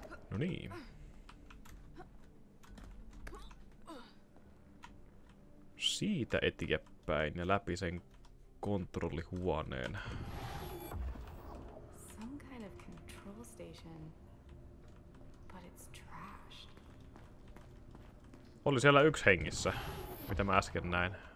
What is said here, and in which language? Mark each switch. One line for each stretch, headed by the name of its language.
Finnish: No niin. Siitä eteenpäin ja läpi sen kontrollihuoneen.
English: Some kind of control station, but it's trashed.
Finnish: Oli siellä yksi hengissä, mitä mä äsken näin.